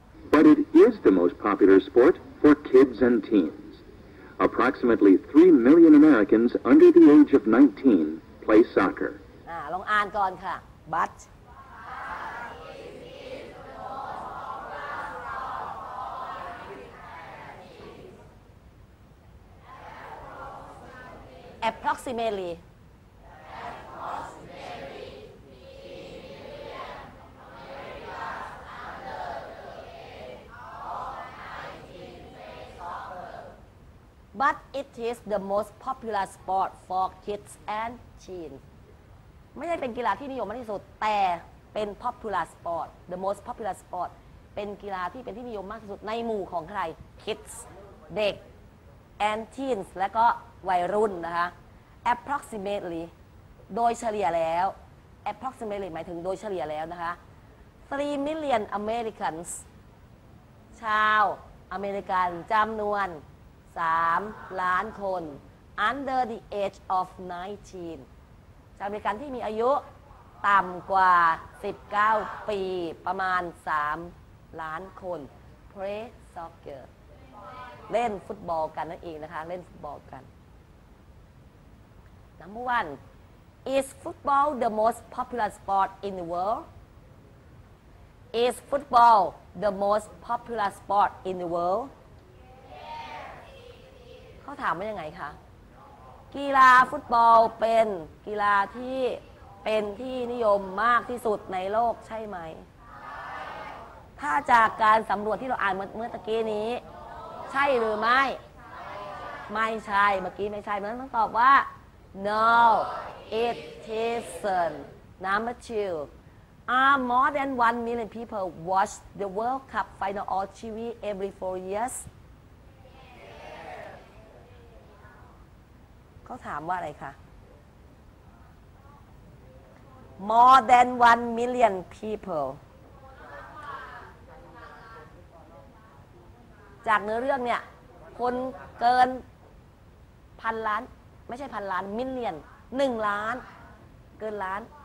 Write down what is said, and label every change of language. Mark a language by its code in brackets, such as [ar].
[en] But it is the most popular sport for kids and teens. Approximately 3 million Americans under the age of 19 play soccer. [th] ลองอ่านก่อนค่ะ [en] butApproximately. But it is the most popular sport for kids and teens. [th] ไม่ใช่เป็นกีฬาที่นิยมมากที่สุดแต่เป็น [en] popular sport. The most popular sport. [th] เป็นกีฬาที่เป็นที่นิยมมากที่สุดในหมู่ของใคร Kids, เด็ก [en] and teens [th] และก็วัยรุ่นนะคะapproximately โดยเฉลี่ยแล้ว approximately หมายถึงโดยเฉลี่ยแล้วนะคะ [en] 3 million Americans [th] ชาวอเมริกันจำนวน3ล้านคน [en] under the age of 19 [th] ชาวอเมริกันที่มีอายุต่ำกว่า19ปีประมาณ3ล้านคน [en] play soccer [th] เล่นฟุตบอลกันนั่นเองนะคะเล่นฟุตบอลกัน [en] Number one, is football the most popular sport in the world? Is football the most popular sport in the world? Yes, it is. [th] เขาถามว่ายังไงคะ กีฬาฟุตบอลเป็นกีฬาที่เป็นที่นิยมมากที่สุดในโลกใช่ไหม ใช่ถ้าจากการสำรวจที่เราอ่านเมื่อตะกี้นี้ ใช่หรือไม่ ใช่ไม่ใช่เมื่อกี้ไม่ใช่มันต้องตอบว่า [en] No, it isn't. Number two, are more than 1 million people watch the World Cup final on TV every 4 years? Yes. [th] เขาถามว่าอะไรคะ [en] More than 1 million people. [th] จากเนื้อเรื่องเนี่ยคนเกินพันล้านไม่ใช่พันล้านมิลเลียน1ล้านเกินล้าน